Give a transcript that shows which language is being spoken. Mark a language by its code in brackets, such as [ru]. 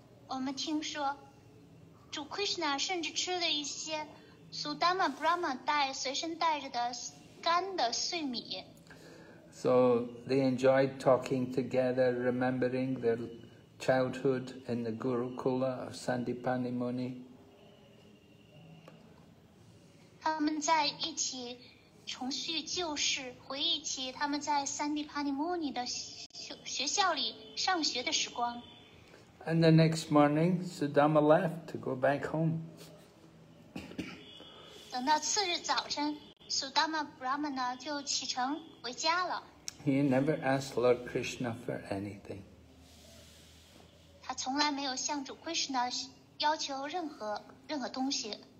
[en] We heard that Lord Krishna even ate some of Sudama Brahma brought with him. So they enjoyed talking together, remembering their childhood in the Gurukula of Sandipani Muni. They were together. [zh] 重叙旧事，回忆起他们在三地帕尼穆尼的学校里上学的时光。 [en] And the next morning, Sudama left to go back home. [zh] 等到次日早晨 ，Sudama Brahmana 就启程回家了。 [en] He never asked Lord Krishna for anything. [zh] 他从来没有向主 Krishna 要求任何东西。